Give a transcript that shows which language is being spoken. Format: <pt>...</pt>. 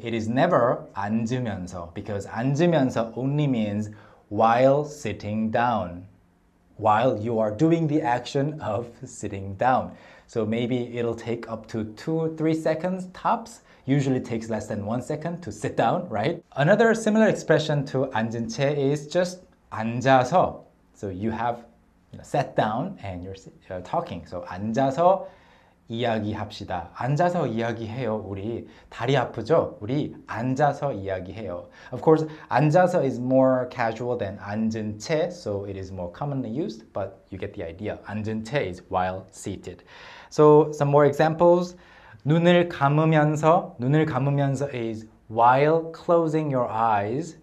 <en>It is never 앉으면서, because 앉으면서 only means while sitting down, while you are doing the action of sitting down. So maybe it'll take up to 2-3 seconds tops. Usually takes less than 1 second to sit down, right? Another similar expression to 앉은 채 is just 앉아서. So you have, you know, sat down and you're talking.</en> <ko>So 앉아서 이야기합시다. 앉아서 이야기해요. 우리 다리 아프죠? 우리 앉아서 이야기해요.</ko> <en>Of course, 앉아서 is more casual than 앉은 채, so it is more commonly used, but you get the idea. 앉은 채 is while seated. So some more examples. 눈을 감으면서 is while closing your eyes.</en>